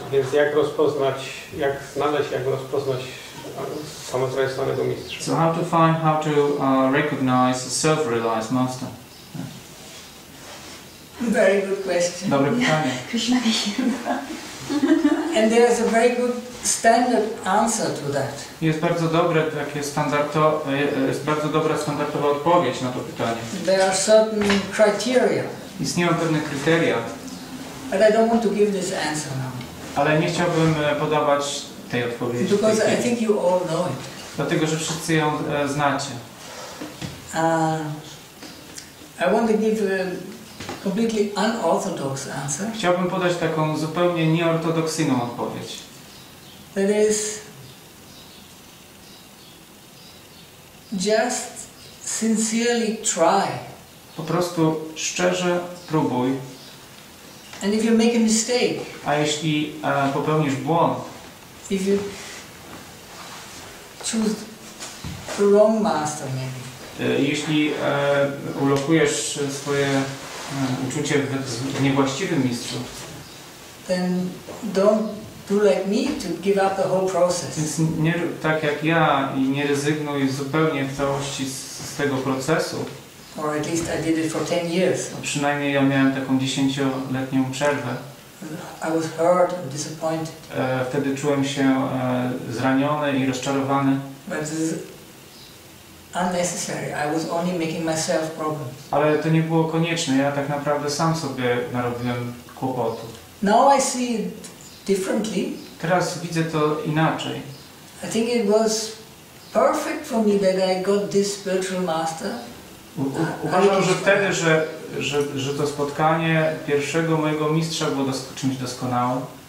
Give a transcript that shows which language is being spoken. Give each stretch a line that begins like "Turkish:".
Polish: Więc jak rozpoznać, jak znaleźć, jak rozpoznać samozrealizowanego mistrza?
English: So how to find, how to recognize a self-realized master? Very good question.
Polish: Dobre pytanie.
English: And there is a very good standard answer to that.
Polish: Jest bardzo dobre, takie jest bardzo dobra standardowa odpowiedź na to pytanie.
English: There are certain criteria.
Polish: Istnieją pewne kryteria.
English: But I don't want to give this answer now.
Polish: Ale nie chciałbym podawać tej odpowiedzi.
English: Because I think you all know it.
Polish: Dlatego, że wszyscy ją znacie.
English: I want to give completely unorthodox answer.
Polish: Chciałbym podać taką zupełnie nieortodoksyjną odpowiedź.
English: That is just sincerely try.
Polish: Po prostu szczerze próbuj.
English: And if you make a mistake.
Polish: A jeśli popełnisz błąd.
English: If you choose the wrong master maybe.
Polish: Jeśli ulokujesz swoje uczucie w niewłaściwym mistrzu.
English: Then don't do like me to give up the whole process.
Polish: Więc nie tak jak ja i nie rezygnuj zupełnie w całości z tego procesu.
English: Or at least I did it for 10 years.
Polish: Przynajmniej ja miałem taką 10-letnią przerwę.
English: I was hurt and disappointed.
Polish: Wtedy czułem się zraniony i rozczarowany.
English: Unnecessary. I was only making myself problems.
Polish: Ale to nie było konieczne. Ja tak naprawdę sam sobie narobiłem kłopotu.
English: Now I see it differently.
Polish: Teraz widzę to inaczej.
English: I think it was perfect for me that I got this spiritual master.
Polish: Uważam, że wtedy, że to spotkanie pierwszego mojego mistrza było czymś doskonałym.